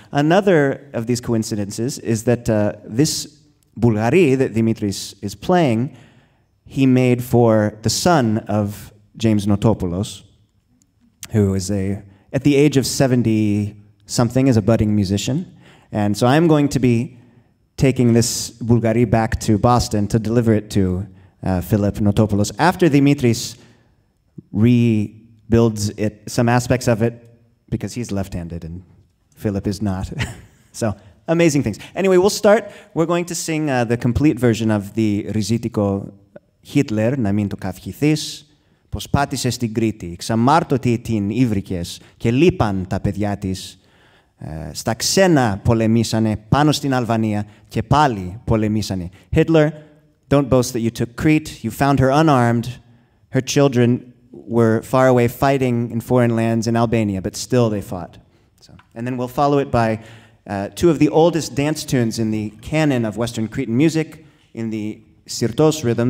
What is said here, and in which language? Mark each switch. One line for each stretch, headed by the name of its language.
English: Another of these coincidences is that this boulgari that Dimitris is playing, he made for the son of James Notopoulos, who is at the age of 70-something, is a budding musician. And so I'm going to be taking this boulgari back to Boston to deliver it to Philip Notopoulos. After Dimitris rebuilds it, some aspects of it, because he's left-handed and Philip is not. So, amazing things. Anyway, we'll start. We're going to sing the complete version of the
Greek: Ριζίτικο Hitler, να μην το καυχηθείς, πως πάτησε στην Κρήτη, ξαμάρτωτη την ίβρικες και λείπαν τα παιδιά της. Στα ξένα πολεμήσανε πάνω στην Αλβανία και πάλι πολεμήσανε.
English: Hitler, don't boast that you took Crete. You found her unarmed. Her children were far away fighting in foreign lands in Albania, but still they fought. So, and then we'll follow it by two of the oldest dance tunes in the canon of Western Cretan music, in the Syrtos rhythm.